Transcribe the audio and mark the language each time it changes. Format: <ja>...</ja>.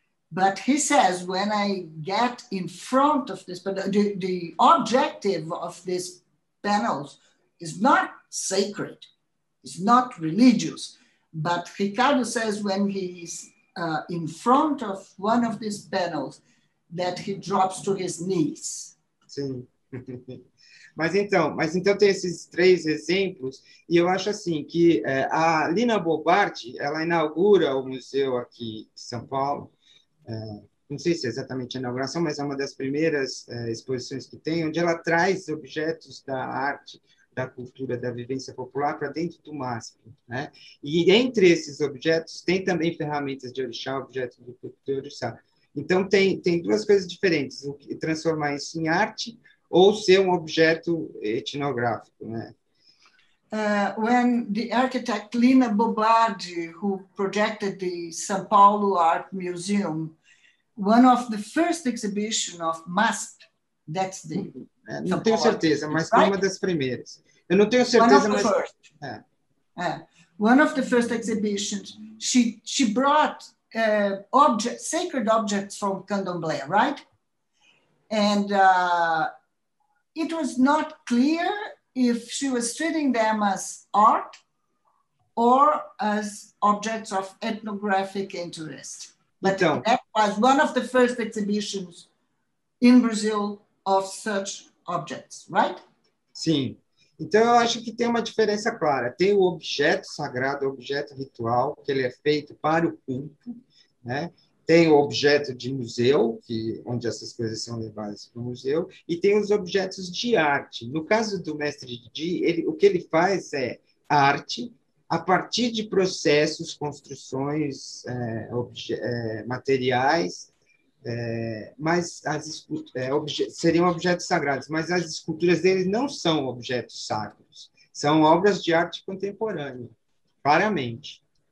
<en>But he says, when I get in front of this, but the objective of these panels is not sacred, it's not religious. But Ricardo says when he's in front of one of these panels that he drops to his knees.</en> <pt>Sim. mas então tem esses três exemplos, e eu acho assim que a Lina Bobardi, ela inaugura o museu aqui em São Paulo. Não sei se é exatamente a inauguração, mas é uma das primeiras exposições que tem, onde ela traz objetos da arte, da cultura, da vivência popular para dentro do MASP, né? E entre esses objetos tem também ferramentas de orixá, objetos do culto de orixá. Então tem duas coisas diferentes, transformar isso em arte ou ser um objeto etnográfico, né?</pt> <en>When the architect Lina Bobardi, who projected the São Paulo Art Museum, one of the first exhibition of MASP, that's the...</en> <pt>Não tenho certeza, mas foi uma das primeiras. Eu não tenho certeza, mas...</pt> <en>One of the first exhibitions, she brought sacred objects from Candomblé, right? And it was not clear if she was treating them as art or as objects of ethnographic interest. But então, that was one of the first exhibitions in Brazil of such objects, right?</en> <pt>Sim. Então, eu acho que tem uma diferença clara. Tem o objeto sagrado, o objeto ritual, que ele é feito para o culto, né? Tem o objeto de museu, que, onde essas coisas são levadas para o museu, e tem os objetos de arte. No caso do mestre Didi, ele, o que ele faz é arte a partir de processos, construções, materiais, mas as seriam objetos sagrados, mas as esculturas dele não são objetos sagrados, são obras de arte contemporânea, claramente.</pt>